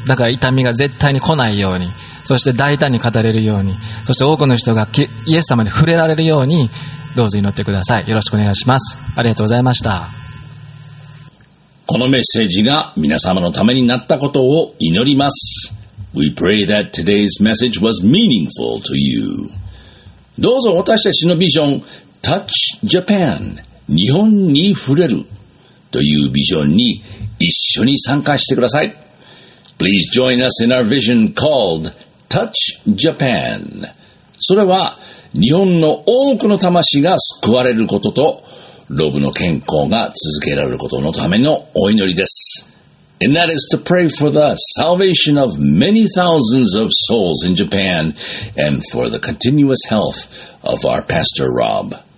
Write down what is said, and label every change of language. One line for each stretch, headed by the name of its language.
Japanese: だから痛みが絶対に来ないように、そして大胆に語れるように、そして多くの人がイエス様に触れられるように、どうぞ祈ってください。よろしくお願いします。ありがとうございました。このメッセージが皆様のためになったことを祈ります。
English: We pray that today's message was meaningful to you.
Japanese: どうぞ私たちのビジョン Touch Japan 日本に触れるというビジョンに一緒に参加してください。
English: Please join us in our vision called Touch Japan.
Japanese: それは日本の多くの魂が救われることと、ロブの健康が続けられることのためのお祈りです。
English: And that is to pray for the salvation of many thousands of souls in Japan and for the continuous health of our Pastor Rob.